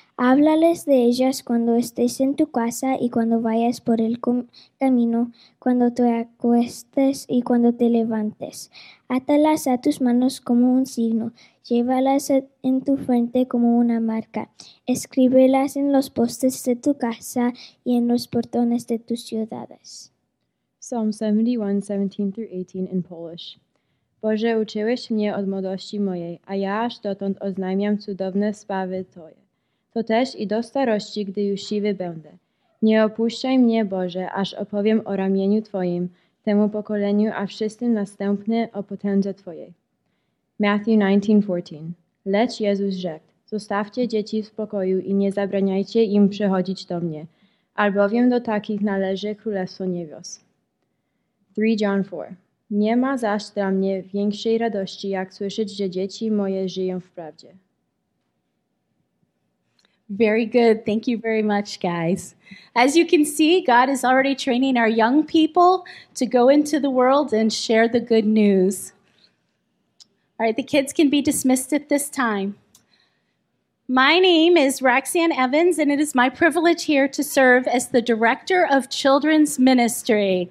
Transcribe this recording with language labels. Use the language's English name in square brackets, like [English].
[Spanish] Háblales de ellas cuando estés en tu casa y cuando vayas por el camino, cuando te acuestes y cuando te levantes. Átalas a tus manos como un signo. Llévalas en tu frente como una marca. Escríbelas en los postes de tu casa y en los portones de tus ciudades. [English] Psalm 71, 17 through 18 in Polish. [Polish] Boże, uczyłeś mnie od młodości mojej, a ja aż dotąd oznajmiam cudowne sprawy Twoje. To też i do starości, gdy już siwy będę. Nie opuszczaj mnie, Boże, aż opowiem o ramieniu Twoim, temu pokoleniu, a wszystkim następnym o potędze Twojej. Matthew 19, 14. Lecz Jezus rzekł, zostawcie dzieci w spokoju i nie zabraniajcie im przychodzić do mnie, albowiem do takich należy Królestwo Niebios. 3 John 4. Nie ma zaś dla mnie większej radości, jak słyszeć, że dzieci moje żyją w prawdzie. [English] Very good. Thank you very much, guys. As you can see, God is already training our young people to go into the world and share the good news. All right, the kids can be dismissed at this time. My name is Roxanne Evans, and it is my privilege here to serve as the Director of Children's Ministry.